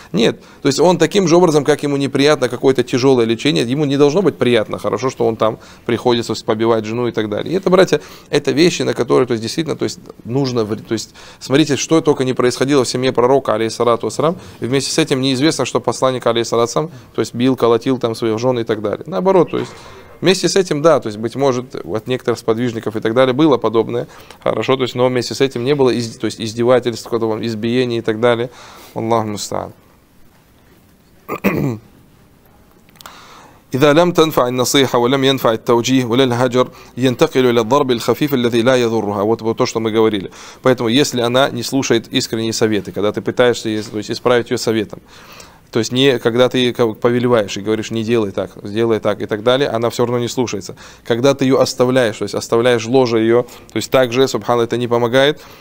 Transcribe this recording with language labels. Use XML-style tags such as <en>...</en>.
<ru>Нет, то есть он таким же образом, как ему неприятно какое-то тяжелое лечение, ему не должно быть приятно, хорошо, что он там приходится побивать жену и так далее. И это, братья, это вещи, на которые, то есть действительно, то есть нужно, то есть смотрите, что только не происходило в семье пророка, алейхиссалату вассалам, вместе с этим неизвестно, что посланник, алейхиссалату вассалам, то есть бил, колотил там свою жену и так далее. Наоборот, то есть вместе с этим, да, то есть быть может, от некоторых сподвижников и так далее было подобное, хорошо, то есть, но вместе с этим не было то есть издевательств, избиений и так далее. Аллаху мустаан.</ru> <ar>إذا لم تنفع النصيحة ولم ينفع التوجيه ولا الهجر ينتقل إلى الضرب الخفيف الذي لا يضرها.</ar> <ru>Вот то, что мы говорили. Поэтому, если она не слушает искренние советы, когда ты пытаешься, то есть, исправить ее советом, то есть не когда ты повелеваешь и говоришь не делай так, сделай так и так далее, она все равно не слушается. Когда ты ее оставляешь, то есть оставляешь ложе ее, то есть также, субханаллах, это не помогает.</ru>